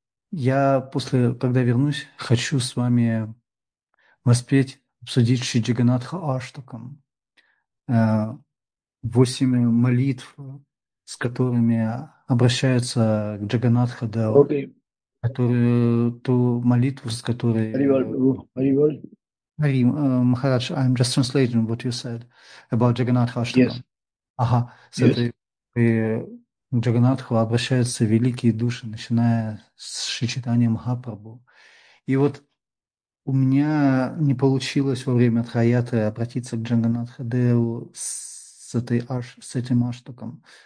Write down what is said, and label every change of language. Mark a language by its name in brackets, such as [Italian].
[Russian] Я после, когда вернусь, хочу с вами воспеть, обсудить Шри Джаганнатха Аштакам. 8 молитв, с которыми обращаются к Джаганнатха Дева. [English] Okay. [Russian] Которую, ту молитву, с которой... Hari, [English] Maharaj, I'm just translating what you said about Jagannath Ashtakam. Yes. [Russian] Ага, с [English] yes. [Russian] этой Джаганнатху обращаются великие души, начиная с Шри Чайтанья Махапрабху. И вот у меня не получилось во время Трояты обратиться к Джаганнатху Деву с этим Аштаком.